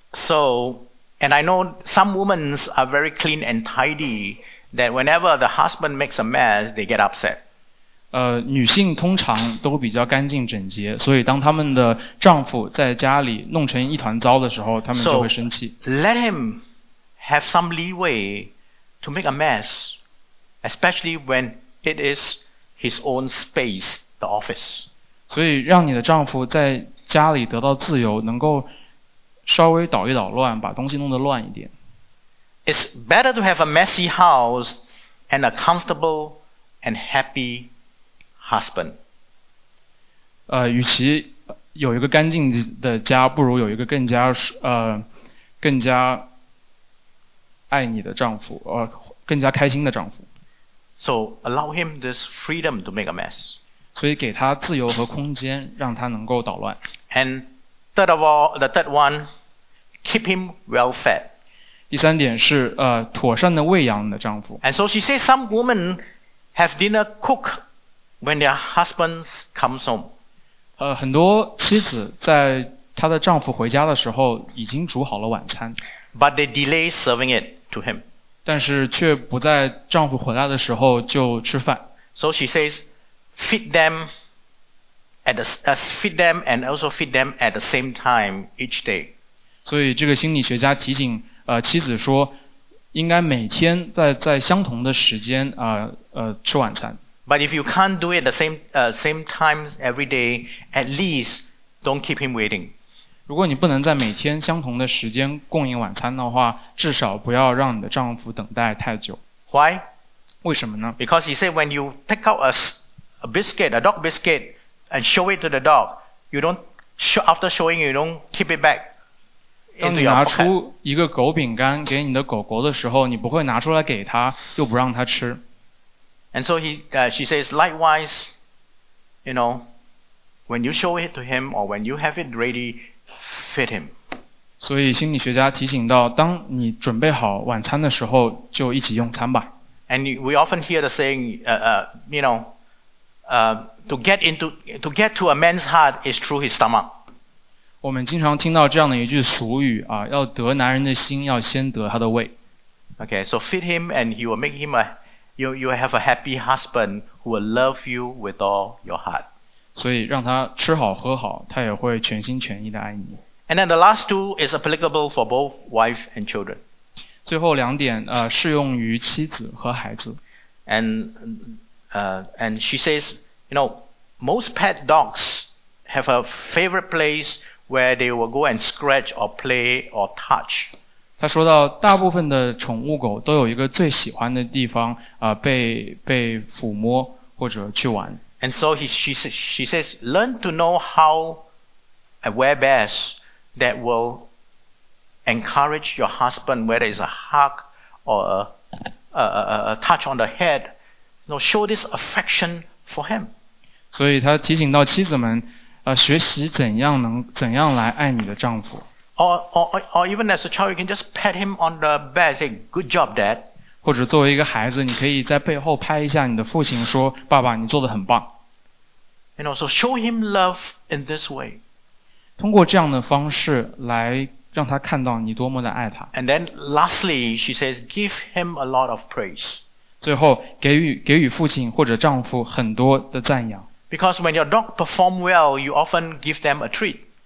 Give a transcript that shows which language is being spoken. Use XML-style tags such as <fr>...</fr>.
<en>And I know some women are very clean and tidy that whenever the husband makes a mess, they get upset.</en> <zh>女性通常都比较干净整洁，所以当他们的丈夫在家里弄成一团糟的时候，他们就会生气。</zh> <en>So, let him have some leeway to make a mess, especially when it is his own space, the office.</en> <zh>所以让你的丈夫在家里得到自由，能够稍微捣一捣乱，把东西弄得乱一点。</zh> <en>It's better to have a messy house and a comfortable and happy husband.</en> <zh>与其有一个干净的家，不如有一个更加爱你的丈夫，更加开心的丈夫。</zh> <en>So allow him this freedom to make a mess.</en> <zh>所以给他自由和空间，让他能够捣乱。</zh> <en>And third of all, the third one. Keep him well fed.</en> <zh>第三点是妥善的喂养你的丈夫。</zh> <en>And so she says some women have dinner cooked when their husbands come home.</en> <zh>很多妻子在她的丈夫回家的时候已经煮好了晚餐。</zh> <en>But they delay serving it to him.</en> <zh>但是却不在丈夫回来的时候就吃饭。</zh> <en>So she says, feed them at the same time each day.</en> <zh>所以这个心理学家提醒妻子说应该每天在相同的时间吃晚餐。</zh> <en>But if you can't do it the same times every day, at least don't keep him waiting.</en> <zh>如果你不能在每天相同的时间供应晚餐的话，至少不要让你的丈夫等待太久。</zh> <en>Why?</en> <zh>为什么呢？</zh> <en>Because he said when you take out a biscuit, a dog biscuit, and show it to the dog, you don't keep it back.</en> <zh>当你拿出一个狗饼干给你的狗狗的时候，你不会拿出来给它，又不让它吃。</zh> <en>And so she says, likewise, you know, when you show it to him or when you have it ready, feed him.</en> <zh>所以心理学家提醒到，当你准备好晚餐的时候，就一起用餐吧。</zh> <en>And we often hear the saying, to get to a man's heart is through his stomach.</en> <zh>我们经常听到这样的一句俗语要得男人的心，要先得他的胃。</zh> <en>Okay, so feed him, and he will make him a you will have a happy husband who will love you with all your heart.</en> <zh>所以让他吃好喝好，他也会全心全意的爱你。</zh> <en>And then the last two is applicable for both wife and children.</en> <zh>最后两点适用于妻子和孩子。</zh> <en>And she says, you know, most pet dogs have a favorite place. Where they will go and scratch or play or touch.</en> <zh>他说到大部分的宠物狗都有一个最喜欢的地方被抚摸或者去玩。</zh> <en>And so she says, learn to know how and where best that will encourage your husband, whether it's a hug or a touch on the head, you know, show this affection for him.</en> <zh>所以他提醒到妻子们，学习怎样来爱你的丈夫。</zh> <en>Or even as a child, you can just pat him on the back, say, "Good job, Dad."</en> <zh>或者作为一个孩子，你可以在背后拍一下你的父亲，说，爸爸，你做得很棒。</zh> <en>And also show him love in this way.</en> <zh>通过这样的方式来让他看到你多么的爱他。</zh> <en>And then lastly, she says, give him a lot of praise.</en> <zh>最后给予父亲或者丈夫很多的赞扬。</zh> <en>Because when your dog perform well, you often give them a treat.</en>